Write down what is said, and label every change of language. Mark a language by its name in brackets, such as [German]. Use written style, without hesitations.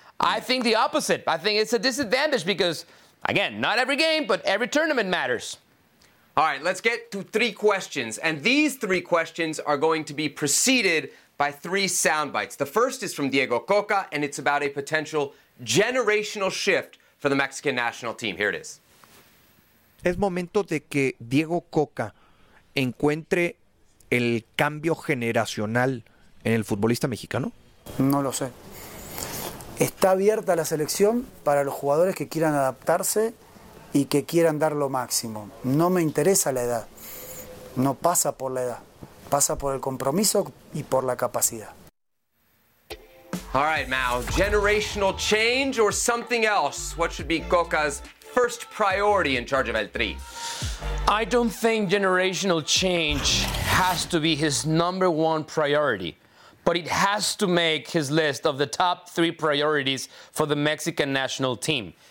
[English] I think the opposite. I think it's a disadvantage because, again, not every game, but every tournament matters. All right, let's get to three questions. And these three questions are going to be preceded by three sound bites. The first is from Diego Coca, and it's about a potential generational shift for the Mexican national team. Here it is. [Spanish] Es momento de que Diego Coca encuentre el cambio generacional en el futbolista mexicano. No lo sé. Está abierta la selección para los jugadores que quieran adaptarse y que quieran dar lo máximo. No me interesa la edad. No pasa por la edad. Pasa por el compromiso y por la capacidad. [English] All right, Mao. Generational change or something else? What should be Coca's first priority in charge of El Tri? I don't think generational change has to be his number one priority, but it has to make his list of the top three priorities for the Mexican national team.